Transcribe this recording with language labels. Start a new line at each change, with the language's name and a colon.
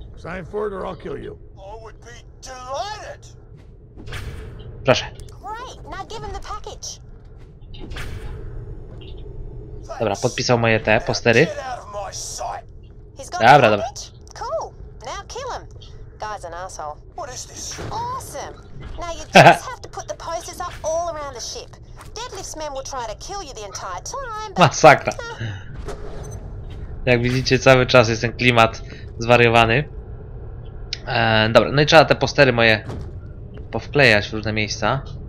English: Sign for it or I'll kill you. I would be delighted.
Polish: Proszę.
English: Great. Now give him the package.
Polish: Dobra, podpisał moje te postery. Dobra, dobra.
English: Cool. Now kill him. Guy's an asshole. What is this? Awesome. Now you just have to put the posters up all around the ship. Deadlift's men will try to kill you the entire time.
Polish: Masakra. Jak widzicie, cały czas jest ten klimat zwariowany. Dobra, no i trzeba te postery moje powklejać w różne miejsca.